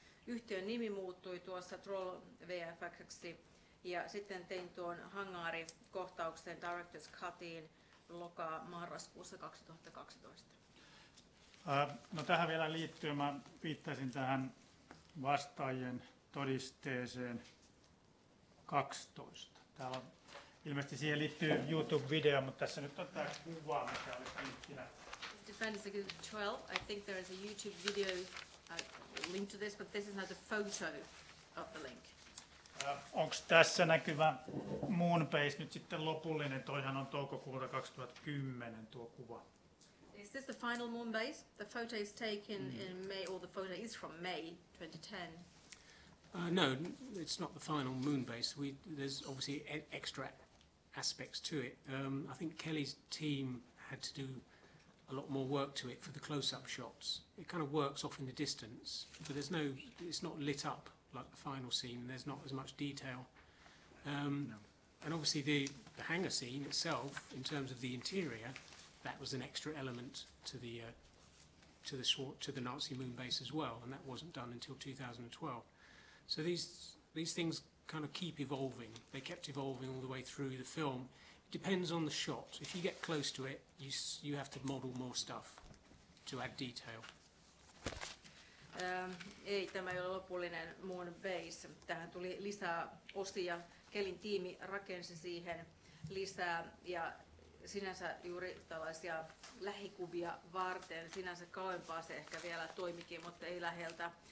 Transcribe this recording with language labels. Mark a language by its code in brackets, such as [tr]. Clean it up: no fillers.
[fi] Yhtiön nimi muuttui tuossa Troll VFX:ksi ja sitten tein tuon hangaarikohtauksen Director's Cutiin marraskuussa 2012. No tähän vielä liittyen mä viittasin tähän vastaajien todisteeseen 12. Täällä on ilmeisesti siihen liittyy YouTube-video, mutta tässä nyt on tämä kuva, mikä oli linkkinä. [en] Defenders Against 12, I think there is a YouTube video link to this, but this is not the photo of the link. [fi] Onko tässä näkyvä Moonbase nyt sitten lopullinen? Toihan on toukokuuta 2010 tuo kuva. [en] Is this the final Moonbase? The photo is taken in May, or the photo is from May 2010. No, it's not the final moon base. There's obviously extra aspects to it. I think Kelly's team had to do a lot more work to it for the close-up shots. It kind of works off in the distance, but there's no, it's not lit up like the final scene. There's not as much detail. No. And obviously the hangar scene itself, in terms of the interior, that was an extra element to the Nazi moon base as well, and that wasn't done until 2012. So these things kind of keep evolving. They kept evolving all the way through the film. It depends on the shot. If you get close to it, you have to model more stuff to add detail. [fi] Ei, tämä ei ole lopullinen moon base. Tähän tuli lisää osia. Kelin tiimi rakensi siihen lisää ja sinänsä juuri tällaisia lähikuvia varten. Sinänsä kauempaa se ehkä vielä toimikin, mutta ei läheltä.